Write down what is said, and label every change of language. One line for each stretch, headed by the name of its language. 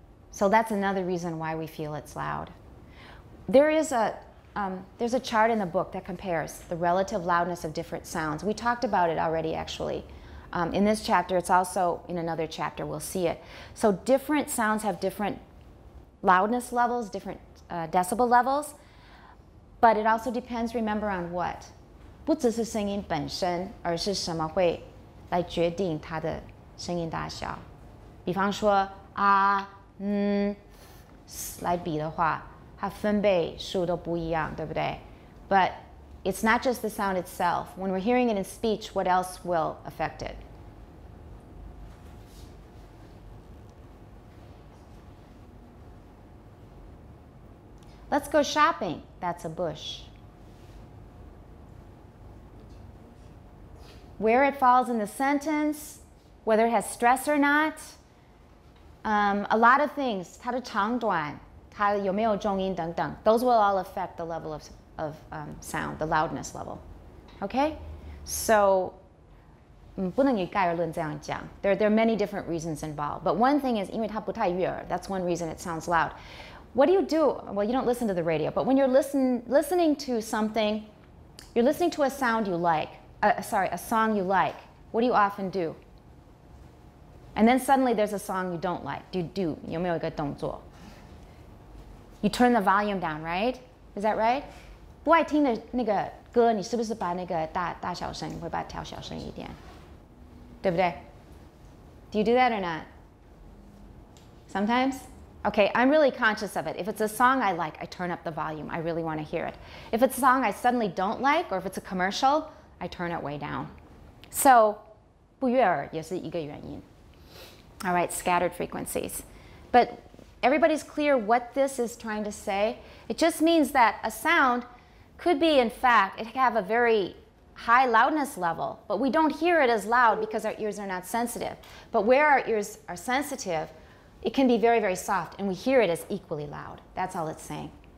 English: So that's another reason why we feel it's loud. There is there's a chart in the book that compares the relative loudness of different sounds. We talked about it already, actually. In this chapter, it's also in another chapter, we'll see it. So different sounds have different loudness levels, different decibel levels, but it also depends, remember, on what?
Chinese: 不只是声音本身，而是什么会来决定它的声音大小。比方说啊、嗯来比的话，它分贝数都不一样，对不对？
English: But it's not just the sound itself. When we're hearing it in speech, what else will affect it? Let's go shopping. That's a bush. Where it falls in the sentence, whether it has stress or not, a lot of things,
Chinese: 它的长短，它有没有重音等等,
English: those will all affect the level of sound, the loudness level. Okay?
Chinese: So, 不能一概而论这样讲.
English: There are many different reasons involved. But one thing is,
Chinese: 因为它不太悦耳,
English: that's one reason it sounds loud. What do you do? Well, you don't listen to the radio, but when you're listening to something, you're listening to a sound you like, a song you like, what do you often do? And then suddenly there's a song you don't like. Do you have a 动作?You turn the volume down, right? Is that right?
Chinese: 不爱听的那个歌，你是不是把那个大小声，你会把它调小声一点？对不对?
English: Do you do that or not? Sometimes? Okay, I'm really conscious of it. If it's a song I like, I turn up the volume. I really want to hear it. If it's a song I suddenly don't like, or if it's a commercial, I turn it way down.
Chinese: So, 不约而也是一个原因。
English: All right, scattered frequencies. But everybody's clear what this is trying to say? It just means that a sound could be, in fact, it could have a very high loudness level, but we don't hear it as loud because our ears are not sensitive. But where our ears are sensitive, it can be very, very soft, and we hear it as equally loud. That's all it's saying.